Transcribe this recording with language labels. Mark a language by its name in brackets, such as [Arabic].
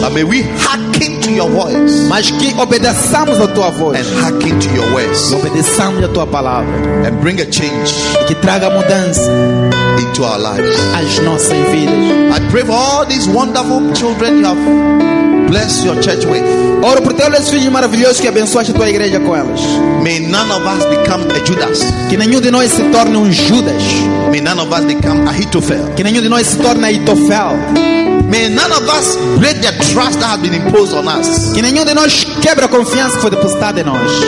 [English] But may we hearken to your voice. [Portuguese] Mas que obedeçamos à tua voz. [English] And hearken to your words. [Portuguese] E obedeçamos à tua palavra. [English] And bring a change. [Portuguese] E que traga mudança. [English] Into our lives. [Portuguese] Às nossas vidas. [English] I pray for all these wonderful children you have blessed your church with. [Portuguese] Oro por todos esses filhos maravilhosos que abençoaste a tua igreja com elas. [English] May none of us become a Judas. [Portuguese] Que nenhum de nós se torne Judas. [English] May none of us become Ahitophel. [Portuguese] Que nenhum de nós se torne Ahitophel. [English] May none of us break the trust that has been imposed on us. [Portuguese] Que nenhum de nós quebre a confiança que foi depositada em nós.